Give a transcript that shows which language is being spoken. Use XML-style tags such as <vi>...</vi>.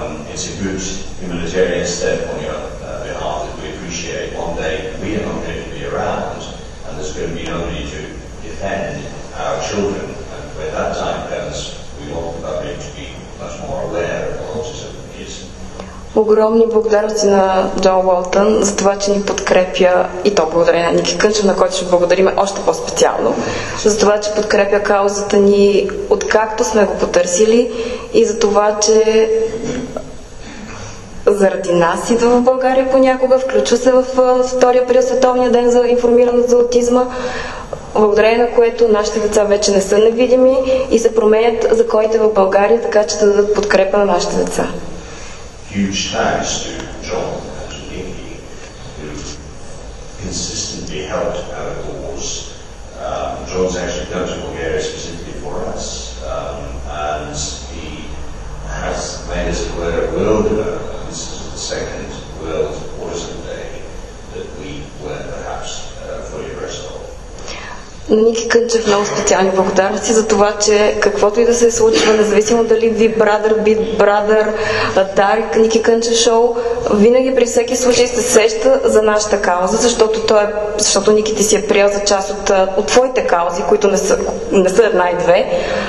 <en>It's a good humanitarian step on your behalf that we appreciate. One day we are not going to be around and there's going to be no need to defend our children. And when that time comes, we want the public to be much more aware of what autism is.</en> <bg>Огромни благодарности на Джон Уолтън за това, че ни подкрепя, и то благодарение на Ники Кънчев, на който ще благодарим още по-специално, за това, че подкрепя каузата ни откакто сме го потърсили и за това, че заради нас идва в България понякога, включва се в 2 април Световния ден за информираност за аутизма, благодарение на което нашите деца вече не са невидими и се променят законите в България, така че да дадат подкрепа на нашите деца.</bg> <en>Huge thanks to John and to Nikki, who consistently helped our cause. John's actually come to Bulgaria specifically for us, and he has made us aware of world developments. This is the second World Autism Day that we weren't perhaps fully aware of.</en> <bg>На Ники Кънчев много специални благодарности за това, че каквото и да се случва, независимо дали Big Brother, Big Brother, Dark, Ники Кънчев шоу, винаги при всеки случай се сеща за нашата кауза, защото той е, защото Ники ти си е приел за част от твоите каузи, които не са една и две.</bg>